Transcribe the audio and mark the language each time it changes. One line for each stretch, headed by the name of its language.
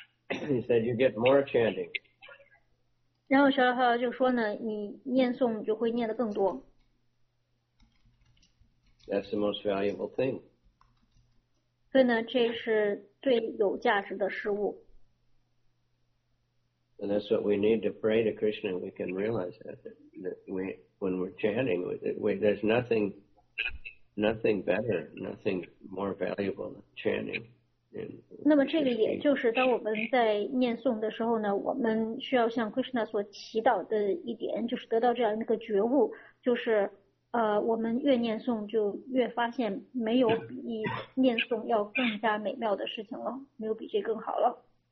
English: He said you get more chanting.
Chinese: 然后释迦牟尼佛就说呢，你念诵就会念得更多。
English: That's the most valuable thing.
Chinese: 所以呢，这是最有价值的事物。
English: And that's what we need to pray to Krishna. We can realize that, that we, when we're chanting, we, there's nothing better, nothing more valuable than chanting.
Chinese: 那么这个也就是当我们在念诵的时候呢，我们需要向 Krishna 所祈祷的一点，就是得到这样一个觉悟，就是我们越念诵就越发现没有比念诵要更加美妙的事情了，没有比这更好了。